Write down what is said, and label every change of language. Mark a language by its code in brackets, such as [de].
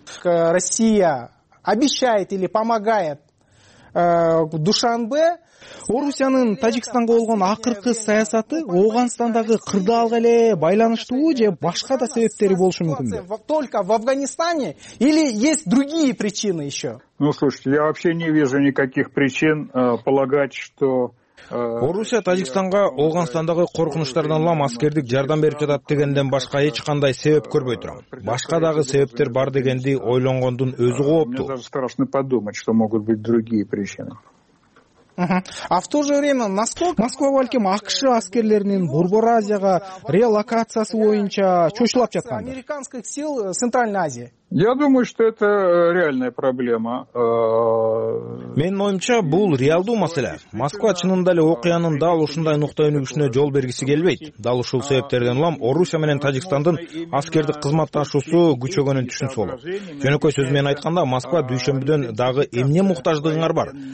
[ru] Россия обещает или помогает Душанбе? [ky] Орусиянын Тажикстанга болгон акыркы саясаты Ооганстандагы кырдаалга эле байланыштуу же башка да себептери болушу мүмкүнбү? [ru] Только в Афганистане или есть другие причины еще? Ну слушайте, я вообще не вижу никаких причин полагать, что [ky] Орусия Тажикстанга Ооганстандагы коркунучтардан улам аскердик жардам берип жатат дегенден башка эч кандай себеп көрбөй турам. Башка дагы себептер бар дегенди ойлонгондун өзү кооптуу. [ru] Мне даже страшно подумать, что могут быть другие причины. А в то же время, насколько [ky] Москва балким АКШ аскерлеринин Борбор Азияга релокациясы боюнча чочулап жаткан [ru] американских сил в Центральной Азии. Я думаю, что это реальная проблема. [ky] Менин оюмча бул реалдуу маселе. Москва чынында эле окуянын дал ушундай нукта өнүгүшүнө жол бергиси келбейт. Дал ушул себептерден улам Орусия менен Тажикстандын аскердик кызматташуусу күчөгөнүн түшүнсө болот. Жөнөкөй сөз менен айтканда, Москва дүйшөмбүдөн дагы эмне муктаждыгыңар бар?